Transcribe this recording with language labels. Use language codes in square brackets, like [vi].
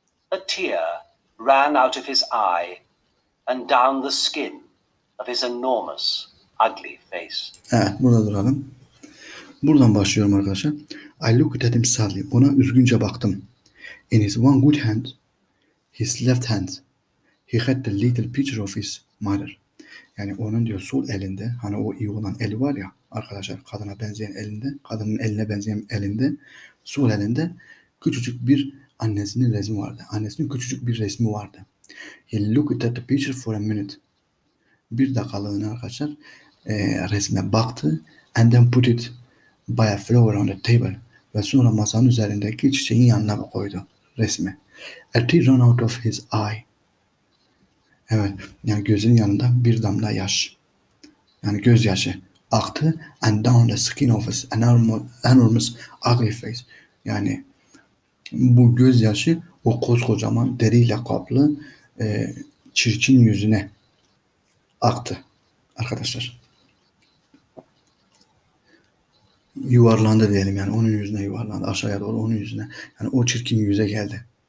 [en] A tear ran out of his eye and down the skin of his enormous ugly face. [tr] Evet, burada duralım. Buradan başlıyorum arkadaşlar. [en] I looked at him sadly. [tr] Ona üzgünce baktım. [en] In his one good hand, his left hand, He had the little picture of his mother. [tr] Yani onun diyor sol elinde, hani o iyi olan eli var ya arkadaşlar, kadına benzeyen elinde, kadının eline benzeyen elinde, sol elinde küçücük bir annesinin resmi vardı. Annesinin küçücük bir resmi vardı. [en] He looked at the picture for a minute. [tr] Bir dakikalığına arkadaşlar resme baktı. [en] And then put it by a flower on the table. [tr] Ve sonra masanın üzerindeki çiçeğin yanına koydu resmi. [en] A tear ran out of his eye. [tr] Evet, yani gözünün yanında bir damla yaş, yani gözyaşı aktı. [en] And down the skin of his enormous ugly face. [tr] Yani bu gözyaşı o koskocaman deriyle kaplı çirkin yüzüne aktı arkadaşlar. Yuvarlandı diyelim, yani onun yüzüne yuvarlandı, aşağıya doğru onun yüzüne, yani o çirkin yüze geldi.